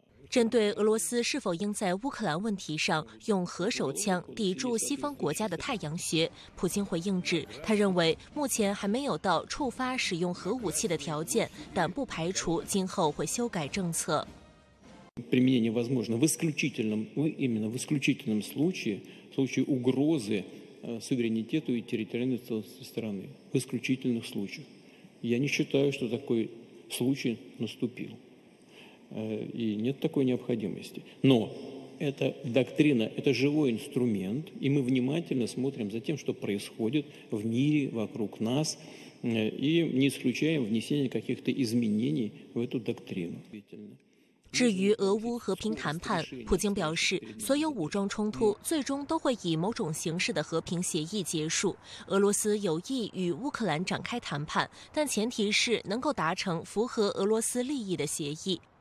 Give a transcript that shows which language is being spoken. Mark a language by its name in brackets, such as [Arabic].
[Chinese] 针对俄罗斯是否应在乌克兰问题上用核手枪抵住西方国家的太阳穴，普京回应指，他认为目前还没有到触发使用核武器的条件，但不排除今后会修改政策。 [Russian] применение возможно в исключительном, именно в исключительном случае, в случае угрозы суверенитету и территориальной целостности страны. В исключительных случаях. Я не считаю, что такой случай наступил. И нет такой необходимости. Но эта доктрина, это живой инструмент, и мы внимательно смотрим за тем, что происходит в мире вокруг нас, и не исключаем внесение каких-то изменений в эту доктрину. [Chinese] 至于俄乌和平谈判，普京表示，所有武装冲突最终都会以某种形式的和平协议结束。俄罗斯有意与乌克兰展开谈判，但前提是能够达成符合俄罗斯利益的协议。